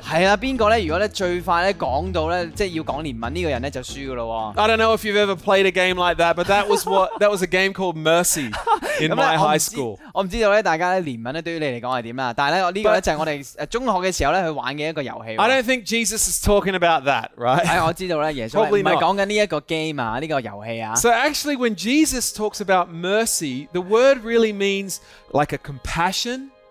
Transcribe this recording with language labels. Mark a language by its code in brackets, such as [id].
[yue] 系啦，边个咧如果咧最快咧讲到咧即系要讲怜悯呢个人咧就输噶咯。 [en] I don't know if you've ever played a game like that, but that was a game called Mercy in my high school. [yue] 我唔知道咧大家咧怜悯咧对于你嚟讲系点啊，但系咧呢个咧就系我哋中学嘅时候咧去玩嘅一个游戏。 [en] I don't think Jesus is talking about that, right? [yue] 系，我知道咧耶稣唔系讲紧呢一个 game 啊，呢个游戏啊。 [en] So actually, when Jesus talks about mercy, the word really means like a compassion.